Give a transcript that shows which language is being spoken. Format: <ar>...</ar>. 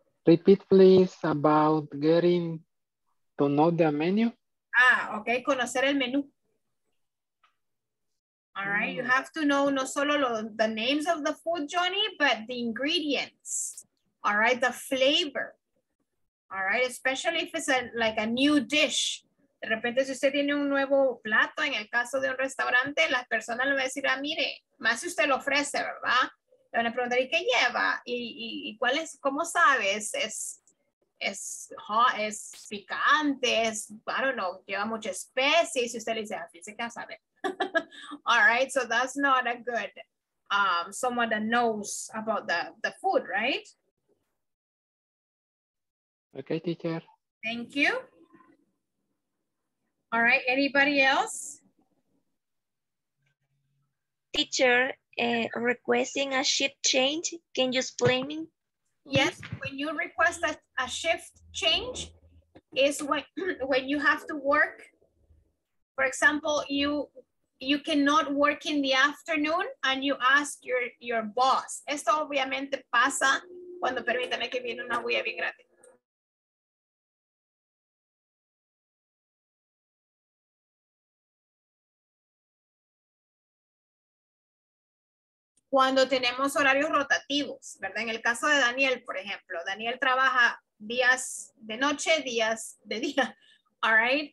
<en>Repeat, please, about getting to know the menu.</en> <es>Ah, okay, conocer el menú.</es> <en>All right, you have to know</en> <es>no solo lo,</es> <en>the names of the food, Johnny, but the ingredients. All right, the flavor. All right, especially if it's a, like a new dish.</en> <es>De repente, si usted tiene un nuevo plato, en el caso de un restaurante, la persona le va a decir, ah, mire, más si usted lo ofrece, ¿verdad? Le van a preguntar, ¿y qué lleva? ¿Y cuál es? ¿Cómo sabes? Es hot, es picante, es,</es> <en>I don't know,</en> <es>lleva mucha especie. Si usted le dice, fíjese que sabe.</es> <en>All right, so that's not a good, someone that knows about the food, right? Okay, teacher. Thank you. All right, anybody else? Teacher. Requesting a shift change, can you explain me? Yes, when you request a shift change is when you have to work, for example, you cannot work in the afternoon and you ask your boss. Esto obviamente pasa cuando permítame que viene una huella bien grande. Cuando tenemos horarios rotativos, ¿verdad? En el caso de Daniel, por ejemplo, Daniel trabaja días de noche, días de día, all right?</en>